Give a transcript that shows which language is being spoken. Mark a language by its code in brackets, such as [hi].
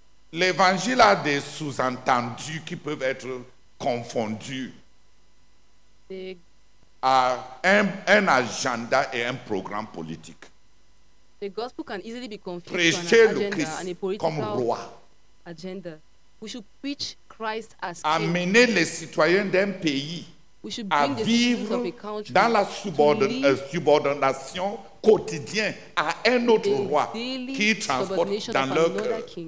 [fr] L'évangile a des sous-entendus qui peuvent être confondus à un agenda et un programme politique. [en] The gospel can easily be confused with an agenda and a political agenda. We should preach Christ as King. [fr] Amener les citoyens d'un pays à vivre dans la subordination quotidienne à un autre roi qui transporte dans leur cœur.